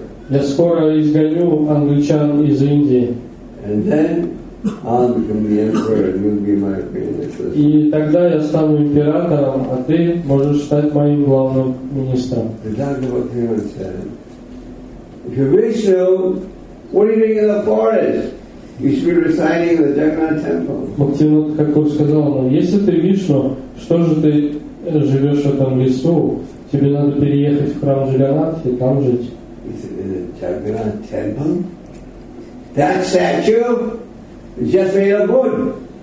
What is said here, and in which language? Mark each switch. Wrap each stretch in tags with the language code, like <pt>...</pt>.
<ru>Я скоро изгоню англичан из Индии.</ru> <en>And then I'll become the emperor and you'll be my</en> <ru>И тогда я стану императором, а ты можешь стать моим главным министром.</ru> <en>If you're Vishnu, what are you doing in the forest? You should be reciting the Jagannath Temple.</en> <ru>Бхактивинода Тхакур сказал ему, если ты Вишну, что же ты живешь в этом лесу? Тебе надо переехать в храм Джаганнатхи и там жить.</ru> <en>He said, in the Jagannath Temple? That statue is just made of wood.</en>